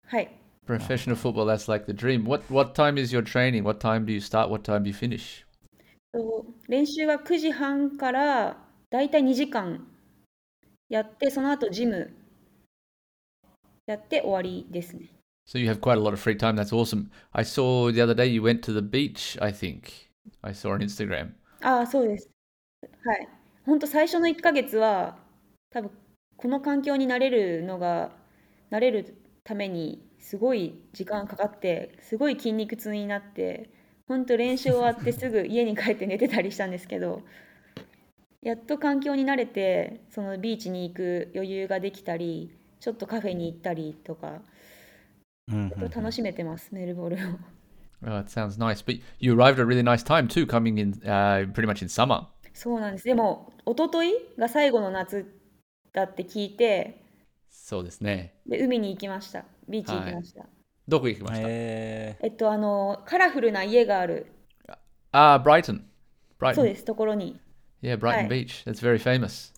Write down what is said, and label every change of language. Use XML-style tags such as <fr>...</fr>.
<ja>はい。</ja> <en>Professional football, that's like the dream. What time is your training? What time do you start? What time do you finish?</en> <ja>練習は9時半からだいたい2時間やってその後ジムやって終わりですね。</ja> <en>So you have quite a lot of free time. That's awesome. I saw the other day you went to the beach, I think. I saw on Instagram.</en> <ja>ああ、そうです。はい。本当最初の1ヶ月は多分この環境に慣れるためにすごい時間かかってすごい筋肉痛になって本当練習終わってすぐ家に帰って寝てたりしたんですけどやっと環境に慣れてそのビーチに行く余裕ができたりちょっとカフェに行ったりとか楽しめてますメルボルンを。</ja> <en>Well, that sounds nice. But you arrived at a really nice time too, coming in pretty much in summer.</en> <ja>そうなんです。でも、おとといが最後の夏だって聞いて、そうですね。で、海に行きました。ビーチ行きました。はい、どこ行きました？あの、カラフルな家がある。ああ、ブライトン。そうです、ところに。</ja> <en>Yeah, Brighton Beach. That's very famous.</en>